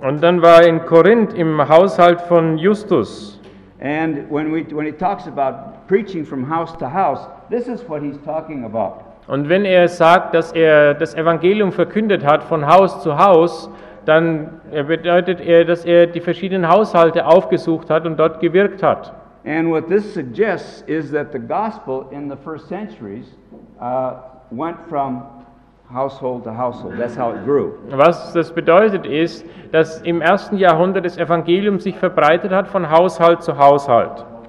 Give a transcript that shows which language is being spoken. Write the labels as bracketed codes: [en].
[de] Und dann war er in Korinth im Haushalt von Justus. [en] And when he talks about preaching from house to house, this is what he's talking about. [de] Und wenn er sagt, dass er das Evangelium verkündet hat von Haus zu Haus, dann bedeutet er, dass er die verschiedenen Haushalte aufgesucht hat und dort gewirkt hat. [en] And what this suggests is that the gospel in the first centuries went from household to household. That's how it grew. [de] Was das bedeutet ist, dass im ersten Jahrhundert das Evangelium sich verbreitet hat von Haushalt zu Haushalt.